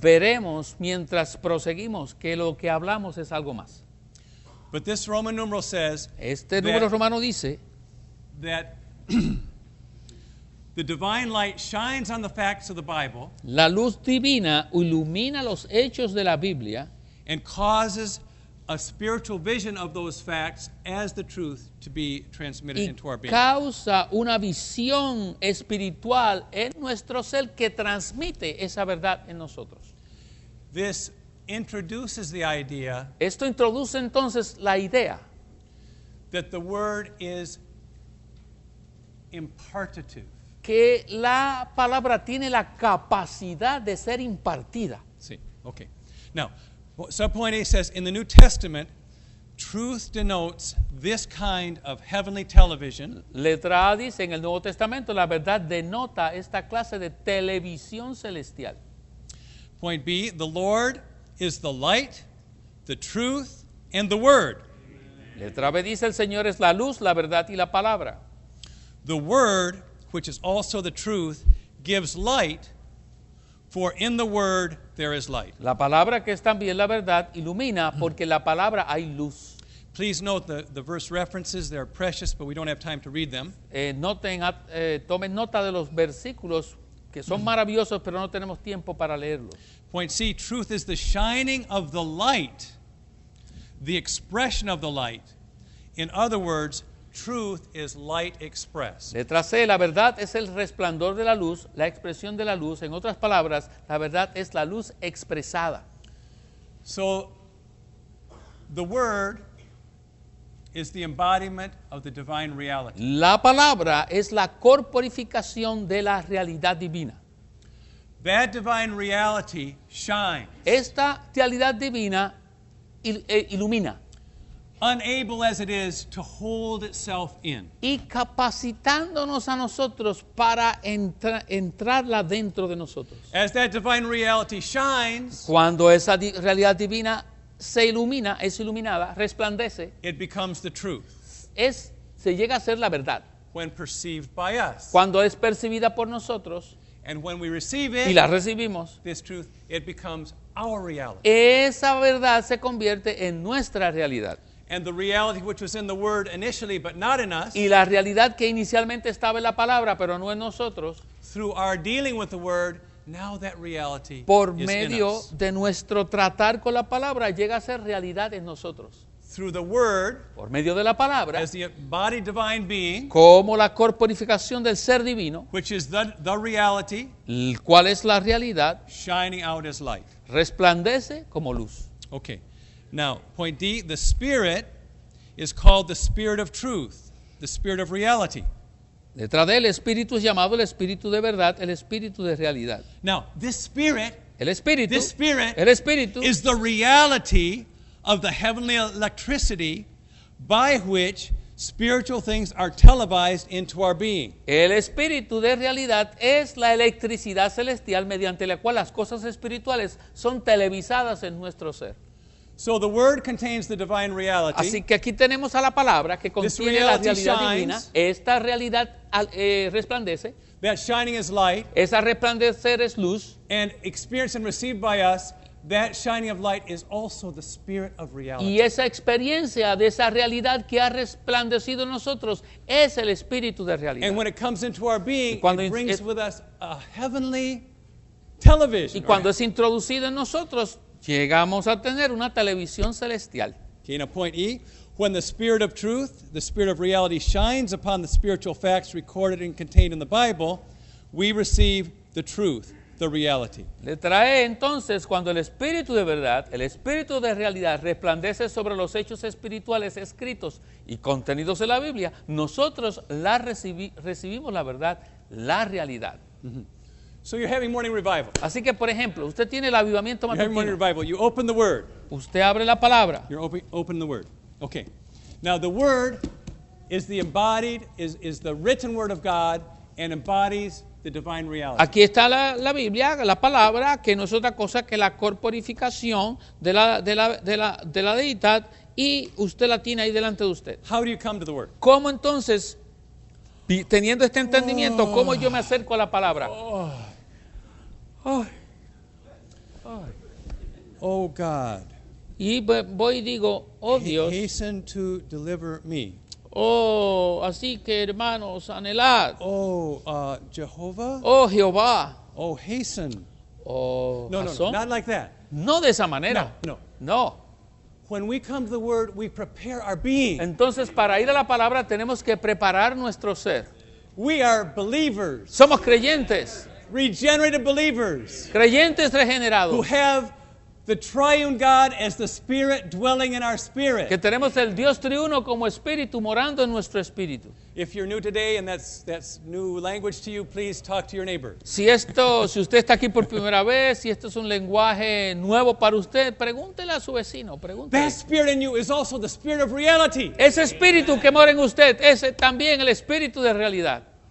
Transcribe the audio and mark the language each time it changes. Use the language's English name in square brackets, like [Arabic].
[Spanish] Veremos mientras proseguimos que lo que hablamos es algo más. [English] But this Roman numeral says [Spanish] este número romano dice [English] that the divine light shines on the facts of the Bible. [Spanish] La luz divina ilumina los hechos de la Biblia [English] and causes a spiritual vision of those facts as the truth to be transmitted into our being. [Spanish] Y causa una visión espiritual en nuestro ser que transmite esa verdad en nosotros. [English] This introduces the idea. [Spanish] Esto introduce entonces la idea [English] that the word is impartitive. [Spanish] Que la palabra tiene la capacidad de ser impartida. Sí, okay. [English] Now, subpoint A says, in the New Testament, truth denotes this kind of heavenly television. [Spanish] Letra A dice, en el Nuevo Testamento, la verdad denota esta clase de televisión celestial. [English] Point B, the Lord is the light, the truth, and the word. [Spanish] Letra B dice, el Señor es la luz, la verdad y la palabra. [English] The word, which is also the truth, gives light, for in the word there is light. [Spanish] La palabra, que es también la verdad, ilumina, porque la palabra hay luz. [English] Please note the verse references. They're precious, but we don't have time to read them. [Spanish] Tomen nota de los versículos, que son maravillosos, pero no tenemos tiempo para leerlos. [English] Point C, truth is the shining of the light, the expression of the light. In other words, truth is light expressed. [Spanish] Letra C, la verdad es el resplandor de la luz, la expresión de la luz. En otras palabras, la verdad es la luz expresada. [English] So, the word is the embodiment of the divine reality. [Spanish] La palabra es la corporificación de la realidad divina. [English] That divine reality shines. [Spanish] Esta realidad divina ilumina. [English] Unable as it is to hold itself in. [Spanish] Y capacitándonos a nosotros para entrarla dentro de nosotros. [English] As that divine reality shines. [Spanish] Cuando esa realidad divina se ilumina, es iluminada, resplandece. [English] It becomes the truth. [Spanish] Se llega a ser la verdad. [English] When perceived by us. [Spanish] Cuando es percibida por nosotros. [English] And when we receive it. [Spanish] Y la recibimos. [English] This truth, it becomes our reality. [Spanish] Esa verdad se convierte en nuestra realidad. [English] And the reality which was in the word initially, but not in us. [Spanish] Y la realidad que inicialmente estaba en la palabra, pero no en nosotros. [English] Through our dealing with the word, now that reality is in us. [Spanish] Por medio de nuestro tratar con la palabra, llega a ser realidad en nosotros. [English] Through the word, [Spanish] por medio de la palabra, [English] as the embodied divine being, [Spanish] como la corporificación del ser divino, [English] which is the reality, [Spanish] cual es la realidad, [English] shining out as light, [Spanish] resplandece como luz. [English] Okay. Now, point D, the Spirit is called the Spirit of Truth, the Spirit of Reality. [Spanish] Letra D, el Espíritu es llamado el Espíritu de Verdad, el Espíritu de Realidad. [English] Now, this Spirit, [Spanish] el Espíritu, [English] this Spirit, [Spanish] el Espíritu, [English] is the reality of the heavenly electricity by which spiritual things are televised into our being. [Spanish] El Espíritu de Realidad es la electricidad celestial mediante la cual las cosas espirituales son televisadas en nuestro ser. [English] So the word contains the divine reality. [Spanish] Así que aquí tenemos a la palabra que contiene la realidad divina. Esta realidad resplandece. [English] That shining is light. [Spanish] Esa resplandecer es luz. [English] And experienced and received by us, that shining of light is also the Spirit of Reality. [Spanish] Y esa experiencia de esa realidad que ha resplandecido en nosotros es el Espíritu de Realidad. [English] And when it comes into our being, it brings with us a heavenly television. [Spanish] Y cuando es introducido en nosotros, llegamos a tener una televisión celestial. [English] Okay, now point E. When the Spirit of Truth, the Spirit of Reality, shines upon the spiritual facts recorded and contained in the Bible, we receive the truth, the reality. [Spanish] Letra E, entonces, cuando el Espíritu de Verdad, el Espíritu de Realidad, resplandece sobre los hechos espirituales escritos y contenidos en la Biblia, nosotros recibimos la verdad, la realidad. Mm-hmm. [English] So you're having morning revival. [Spanish] Así que, por ejemplo, usted tiene el avivamiento matutino. [English] You're having morning revival. You open the word. [Spanish] Usted abre la palabra. [English] You're open the word. Okay. Now the word is the embodied, is the written word of God and embodies the divine reality. [Spanish] Aquí está la Biblia, la palabra, que no es otra cosa que la corporificación de la deidad, y usted la tiene ahí delante de usted. [English] How do you come to the word? [Spanish] ¿Cómo entonces, teniendo este entendimiento, cómo yo me acerco a la palabra? [English] Oh God. [Spanish] Y voy y digo, oh Dios. [English] Hasten to deliver me. [Spanish] Oh, así que hermanos, anhelad. [English] Oh, Jehovah. [Spanish] Oh, Jehová. [English] Oh, hasten. Oh, [Spanish] no, razón. [English] No, not like that. [Spanish] No de esa manera. No. [English] When we come to the word, we prepare our being. [Spanish] Entonces, para ir a la palabra, tenemos que preparar nuestro ser. [English] We are believers. [Spanish] Somos creyentes. [English] Regenerated believers. [Spanish] Creyentes regenerados. [English] Who have the triune God as the Spirit dwelling in our spirit. [Spanish] Que tenemos el Dios triuno como espíritu morando en nuestro espíritu. [English] If you're new today and that's new language to you, please talk to your neighbor. [Spanish] Si usted está aquí por primera vez, si esto es un lenguaje nuevo para usted, pregúntele a su vecino, pregúntele. [English] That spirit in you is also the spirit of reality. [Spanish] Ese espíritu que mora en usted es también el espíritu de realidad.